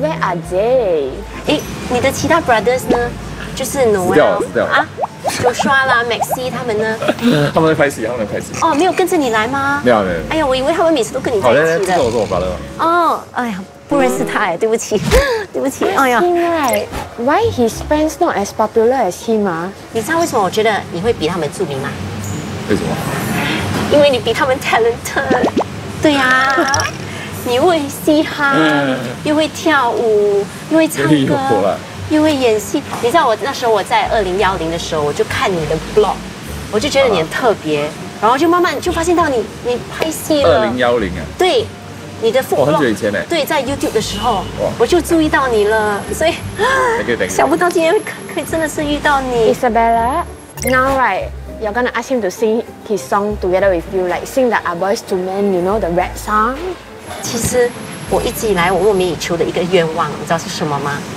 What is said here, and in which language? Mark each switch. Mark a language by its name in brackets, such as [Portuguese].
[English] Where are they? [Chinese] 你的其他 brothers 呢？就是 Noah 死掉了啊，就刷了 Maxi 他们呢？他们在拍戏，他们在拍戏。哦，没有跟着你来吗？没有。哎呀，我以为他们每次都跟你在一起的。好，这个我是我 brother 吗？哦，哎呀，不认识他哎，对不起。 [English] 哎呀 ，Why his friends not as popular as him 啊？ [Chinese] 你知道为什么我觉得你会比他们著名吗？为什么？因为你比他们 talented， 对呀、啊，你会嘻哈，又会跳舞，又会唱歌，又会演戏。你知道我那时候我在2010的时候，我就看你的 blog， 我就觉得你很特别，然后就慢慢就发现到你拍戏了。 2010啊？对，你的 blog。我很久以前呢。对，在 YouTube 的时候，我就注意到你了，所以想不到今天可以真的是遇到你 [English] ，Isabella， now right。 You're gonna ask him to sing his song together with you, like sing the Our Boys to Men, you know, the rap song. [Chinese] 其实我一直以来我梦寐以求的一个愿望，你知道是什么吗？